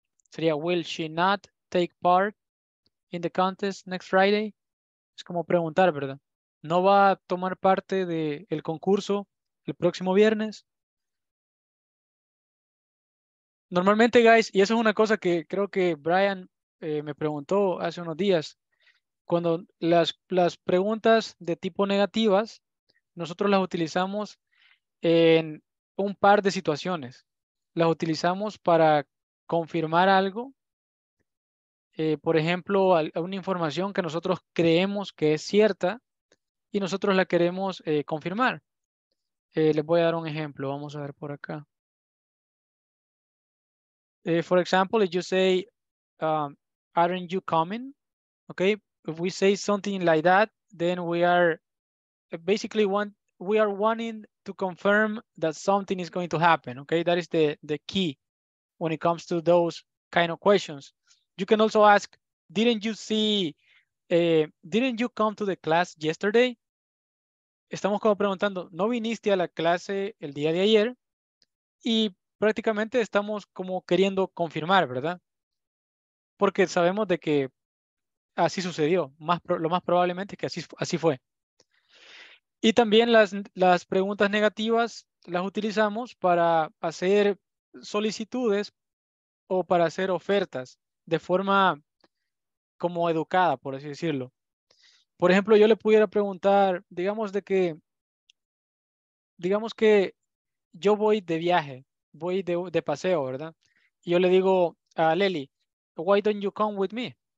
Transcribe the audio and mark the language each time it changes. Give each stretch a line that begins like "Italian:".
Spanish: Sería,
English: will she not take part in the contest next Friday?
Spanish: Es como preguntar, ¿verdad? ¿No va a tomar parte del concurso el próximo viernes? Normalmente, guys, y eso es una cosa que creo que Brian me preguntó hace unos días, cuando las preguntas de tipo negativas, nosotros las utilizamos en un par de situaciones. Las utilizamos para confirmar algo, por ejemplo, una información que nosotros creemos que es cierta y nosotros la queremos confirmar. Les voy a dar un ejemplo, vamos a ver por acá.
English: For example, if you say, aren't you coming? Okay, if we say something like that, then we are basically wanting to confirm that something is going to happen. Okay, that is the key when it comes to those kind of questions. You can also ask, didn't you come to the class yesterday?
Spanish: Estamos como preguntando, ¿no viniste a la clase el día de ayer? Y prácticamente estamos como queriendo confirmar, ¿verdad? Porque sabemos de que así sucedió. Lo más probablemente es que así fue. Y también las preguntas negativas las utilizamos para hacer solicitudes o para hacer ofertas de forma como educada, por así decirlo. Por ejemplo, yo le pudiera preguntar, digamos que yo voy de viaje. Voy de paseo, ¿verdad? Y yo le digo a Lely,
English: why don't you come with me?